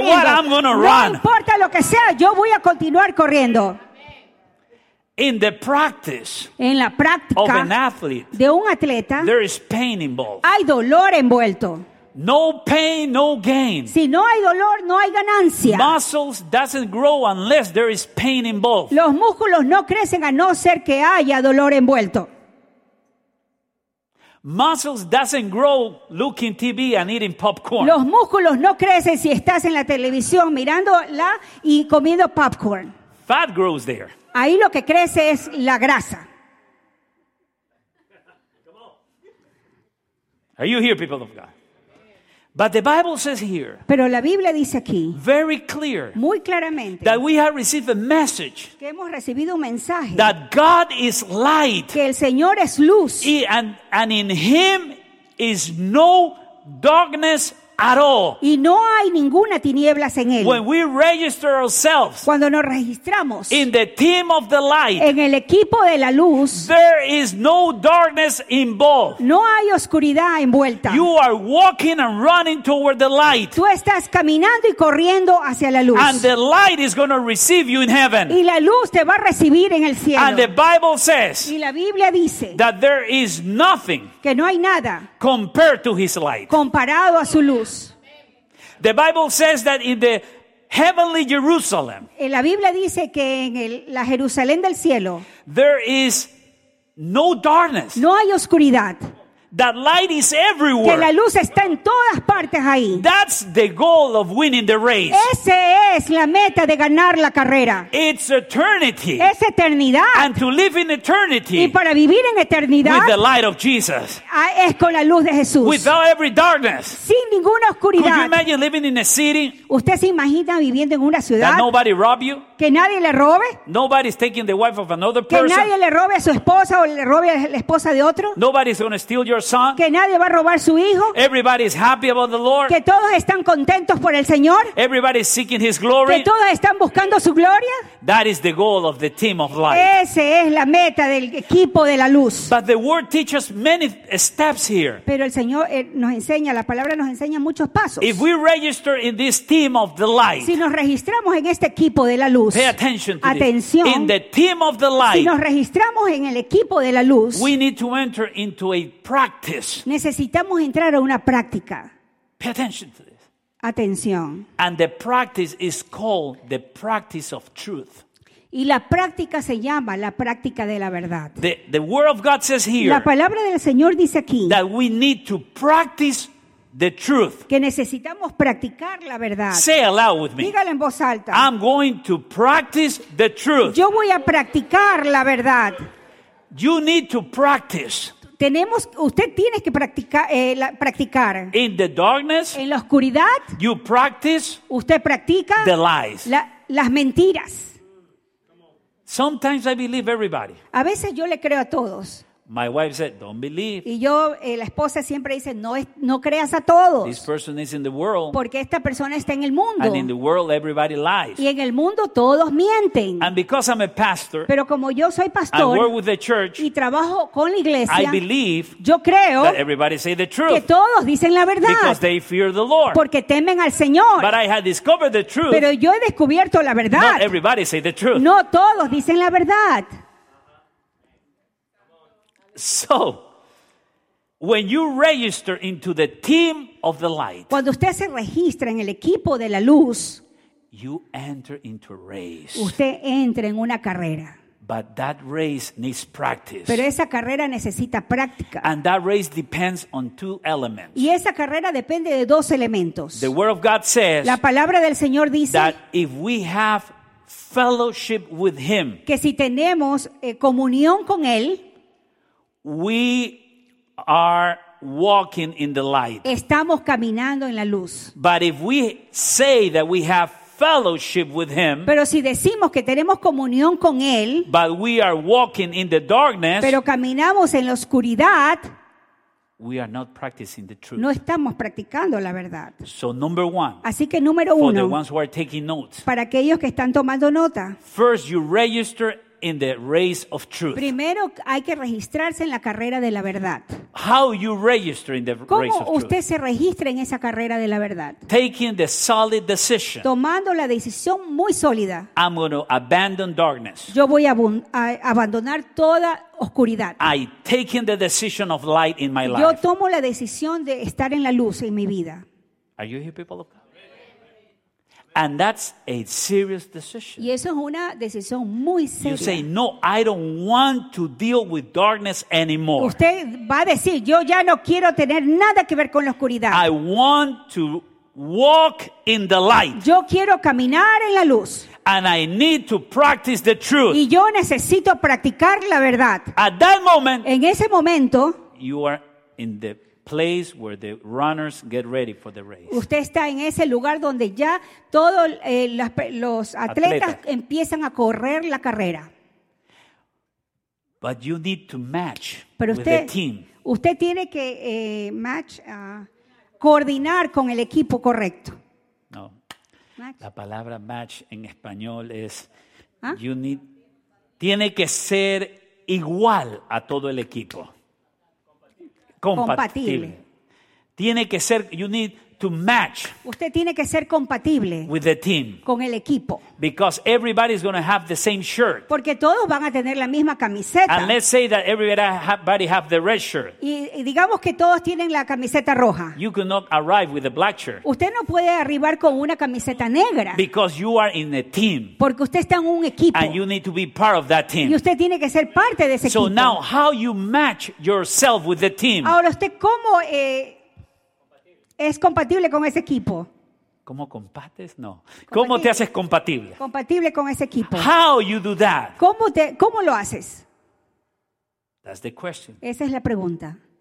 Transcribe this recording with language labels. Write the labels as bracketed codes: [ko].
[en] what, I'm gonna run. [es] No importa lo que sea, yo voy a continuar corriendo. [en] In the practice, [es] en la práctica [en] of an athlete, [es] de un atleta, [en] there is pain involved. [es] Hay dolor envuelto. [en] No pain, no gain. [es] Si no hay dolor, no hay ganancia. [en] Muscles doesn't grow unless there is pain involved. [es] Los músculos no crecen a no ser que haya dolor envuelto. [en] Muscles doesn't grow looking TV and eating popcorn. [es] Los músculos no crecen si estás en la televisión mirándola y comiendo popcorn. [en] Fat grows there. [es] Ahí lo que crece es la grasa. [en] Are you here, people of God? But the Bible says here. [es] Pero la Biblia dice aquí. [en] Very clear. [es] Muy claramente. [en] That we have received a message. [es] Que hemos recibido un mensaje. [en] That God is light. [es] Que el Señor es luz. [en] And in Him is no darkness at all. [es] Y no hay ninguna tinieblas en él. [en] When we register ourselves. [es] Cuando nos registramos. [en] In the team of the light. [es] En el equipo de la luz. [en] There is no darkness involved. [es] No hay oscuridad envuelta. [en] You are walking and running toward the light. [es] Tú estás caminando y corriendo hacia la luz. [en] And the light is going to receive you in heaven. [es] Y la luz te va a recibir en el cielo. [en] And the Bible says. [es] Y la Biblia dice. [en] That there is nothing. [es] Que no hay nada. [en] Compared to his light. [es] Comparado a su luz. [en] The Bible says that in the heavenly Jerusalem, [es] la Biblia dice que en la Jerusalén del cielo, [en] there is no darkness. [es] No hay oscuridad. [en] That light is everywhere. [es] Que la luz está en todas partes ahí. [en] That's the goal of winning the race. [es] Ese es la meta de ganar la carrera. [en] It's eternity. [es] Es eternidad. [en] And to live in eternity. [es] Y para vivir en eternidad. [en] With the light of Jesus. [es] Es con la luz de Jesús. [en] Without every darkness. [es] Sin ninguna oscuridad. [en] Could you imagine living in a city? [es] ¿Usted se imagina viviendo en una ciudad? [en] That nobody rob you? [es] Que nadie le robe. [en] Nobody's taking the wife of another [es] que [en] person. [es] Que nadie le robe a su esposa o le robe a la esposa de otro. [en] Nobody's going to steal your son. [es] Que nadie va a robar su hijo. [en] Everybody's happy about the Lord. [es] Que todos están contentos por el Señor. [en] Everybody's seeking his glory. [es] Que todos están buscando su gloria. [en] That is the goal of the team of light. [es] Ese es la meta del equipo de la luz. [en] But the word teaches many steps here. [es] Pero el Señor nos enseña, la palabra nos enseña muchos pasos. [en] If we register in this team of the light. [es] Si nos registramos en este equipo de la luz. [en] Pay attention to [es] atención. [en] This. In the team of the light. [es] Si nos registramos en el equipo de la luz. [en] We need to enter into a practice. [es] Necesitamos entrar a una práctica. [en] Pay attention to this. [es] Atención. [en] And the practice is called the practice of truth. [es] Y la práctica se llama la práctica de la verdad. [en] The word of God says here. [es] La palabra del Señor dice aquí. [en] That we need to practice the truth. [es] Que necesitamos practicar la verdad. [en] Say aloud with me. [es] Dígalo en voz alta. [en] I'm going to practice the truth. [es] Yo voy a practicar la verdad. [en] You need to practice. [es] Tenemos, usted tiene que practicar, practicar. [en] In the darkness. [es] En la oscuridad. [en] You practice. [es] Usted practica. [en] The lies. [es] Las mentiras. [en] Sometimes I believe everybody. [es] A veces yo le creo a todos. [en] My wife said, "Don't believe." [es] Y yo, la esposa siempre dice, no creas a todos. [en] This person is in the world. [es] Porque esta persona está en el mundo. [en] And in the world, everybody lies. [es] Y en el mundo todos mienten. [en] And because I'm a pastor. [es] Pero como yo soy pastor. [en] I work with the church. [es] Y trabajo con la iglesia. [en] I believe. [es] Yo creo. [en] That everybody say the truth. [es] Que todos dicen la verdad. [en] Because they fear the Lord. [es] Porque temen al Señor. [en] But I have discovered the truth. [es] Pero yo he descubierto la verdad. [en] Not everybody say the truth. [es] No todos dicen la verdad. [en] So, when you register into the team of the light, [es] cuando usted se registra en el equipo de la luz, [en] you enter into a race. [es] Usted entra en una carrera. [en] But that race needs practice. [es] Pero esa carrera necesita práctica. [en] And that race depends on two elements. [es] Y esa carrera depende de dos elementos. [en] The word of God says, [es] la palabra del Señor dice, [en] that if we have fellowship with him, [es] que si tenemos comunión con él, [en] we are walking in the light. [es] Estamos caminando en la luz. [en] But if we say that we have fellowship with him, [es] pero si decimos que tenemos comunión con él, [en] but we are walking in the darkness, [es] pero caminamos en la oscuridad, [en] we are not practicing the truth. [es] No estamos practicando la verdad. [en] So number one, [es] así que número uno, [en] for the ones who are taking notes, [es] para aquellos que están tomando nota, [en] first you register in the race of truth. [es] Primero hay que registrarse en la carrera de la verdad. [en] How you register in the race of truth? [es] ¿Cómo usted se registra en esa carrera de la verdad? [en] Taking the solid decision. [es] Tomando la decisión muy sólida. [en] I'm going to abandon darkness. [es] Yo voy a abandonar toda oscuridad. [en] I taking the decision of light in my life. [es] Yo tomo la decisión de estar en la luz en mi vida. [en] Are you here, people of God? And that's a serious decision. [es] Y eso es una decisión muy seria. [en] You say, no, I don't want to deal with darkness anymore. [es] Usted va a decir, yo ya no quiero tener nada que ver con la oscuridad. [en] I want to walk in the light. [es] Yo quiero caminar en la luz. [en] And I need to practice the truth. [es] Y yo necesito practicar la verdad. [en] At that moment, [es] en ese momento, [en] you are in the place where the runners get ready for the race. [es] Usted está en ese lugar donde ya todos los atletas empiezan a correr la carrera. [en] But you need to match. [es] Pero usted, [en] with the team. [es] Usted tiene que coordinar con el equipo correcto. [en] No. Match. [es] La palabra match en español es [en] you need, [es] tiene que ser igual a todo el equipo. [en] Compatible. [es] Tiene que ser, [en] you need to match. [es] Usted tiene que ser compatible [en] with the team. [es] Con el equipo. [en] Because everybody's going to have the same shirt. [es] Porque todos van a tener la misma camiseta. [en] And let's say that everybody have the red shirt. [es] Y digamos que todos tienen la camiseta roja. [en] You cannot arrive with a black shirt. [es] Usted no puede arribar con una camiseta negra. [en] Because you are in a team. [es] Porque usted está en un equipo. [en] And you need to be part of that team. [es] Y usted tiene que ser parte de ese [en] so So now, how you match yourself with the team? [es] Ahora usted cómo es compatible con ese equipo. ¿Cómo compates? No. Compatible. ¿Cómo te haces compatible? Compatible con ese equipo. [en] How you do that? [es] ¿Cómo lo haces? [en] That's the question. [es] Esa es la pregunta.